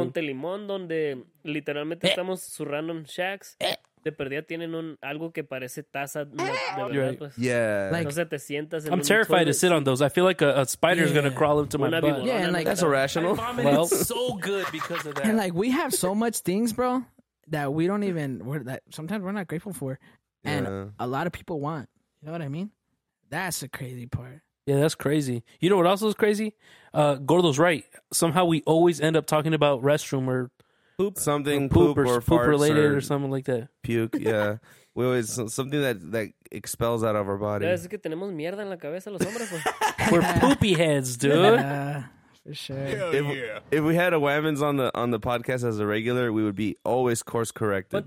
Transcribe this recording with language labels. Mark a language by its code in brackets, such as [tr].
[es] En Monte Limón, donde literalmente estamos zurrando en shacks, de perdida tienen un algo que parece taza. De verdad, right. pues. [en] Yeah. [es] Like, o sea, te sientas en [en] I'm terrified toilet. To sit on those. I feel like a spider's yeah. going to crawl into my butt. Yeah, and like, that's irrational. Well, so good because of that. And like, we have so much things, bro, that we don't even, we're, that sometimes we're not grateful for. And yeah. a lot of people want. You know what I mean? That's the crazy part. Yeah, that's crazy. You know what else is crazy? Gordo's right. Somehow we always end up talking about restroom or poop. Something or poop, poop or poop farts related or, something like that. Puke, yeah. We always, something that expels out of our body. [es] Es que tenemos mierda en la cabeza los hombres. [en] We're poopy heads, dude. Yeah, for sure. Hell if we had a women's on the podcast as a regular, we would be always course corrected.